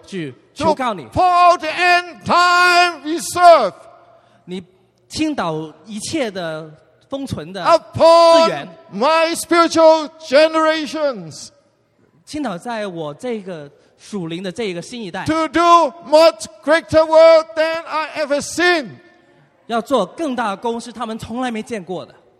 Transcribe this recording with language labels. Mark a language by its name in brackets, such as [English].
[Chinese] 去求告你, [English] to pour out the end time reserve [Chinese] 你倾倒一切的封存的资源, [English] upon my spiritual generations [Chinese] 倾倒在我这个属灵的这一个新一代, [English] to do much greater work than I ever seen [Chinese] 要做更大的工是他们从来没见过的,